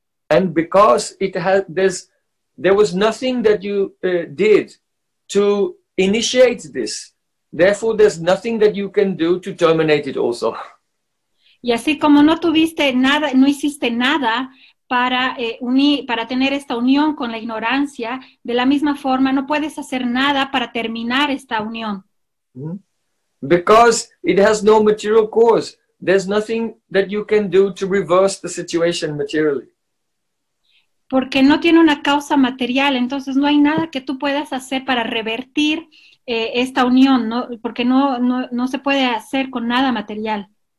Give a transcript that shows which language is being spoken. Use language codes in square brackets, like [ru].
[en] And because it had this, there was nothing that you did to initiate this. Therefore, there's nothing that you can do to terminate it also. [es] Y así como no tuviste nada, no hiciste nada para unir, para tener esta unión con la ignorancia, de la misma forma no puedes hacer nada para terminar esta unión. [en] Because it has no material cause. There's nothing that you can do to reverse the situation materially. [es] Porque no tiene una causa material, entonces no hay nada que tú puedas hacer para revertir esta unión, ¿no? Porque no se puede hacer con nada material.